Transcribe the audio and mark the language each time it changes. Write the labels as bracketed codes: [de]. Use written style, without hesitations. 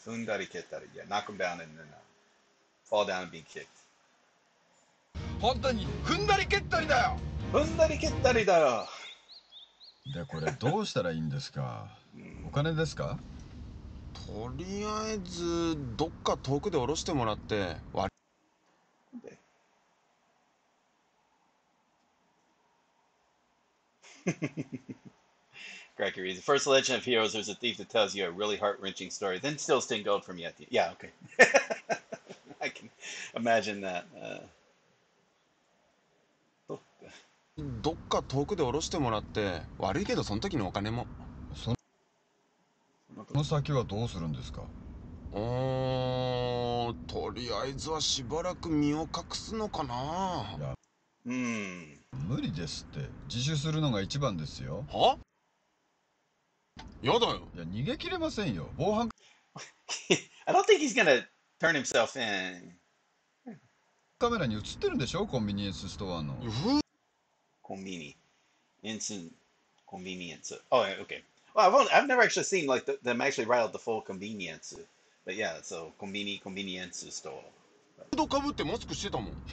[ja] 踏んだり蹴ったり、 [en] yeah, knock him down and then fall down and be kicked. [ja] 本当に踏んだり蹴ったりだよ。踏んだり蹴ったりだよ。でこれどうしたらいいんですか。お金ですか。とりあえずどっか遠くで降ろしてもらって割り。 [en] Cracky reads. First Legend of Heroes, there's a thief that tells you a really heart-wrenching story, then steals 10 gold from you at the end. Yeah, okay. I can imagine that. [ja] どっか遠くで降ろしてもらって悪いけどその時のお金も。その先はどうするんですか。とりあえずはしばらく身を隠すのかな。無理ですって。自首するのが一番ですよ。は？やだよ。いや逃げ切れませんよ。防犯。 [en] I don't think he's gonna turn himself in. [ja] カメラに映ってるんでしょ、コンビニエンスストアの。コンビニエンス、コンビニエンス。 [en] Oh, okay. Well, I've never actually seen like them actually write out the full convenience. But yeah, so convenience store. [ja] フードかぶってマスクしてたもん。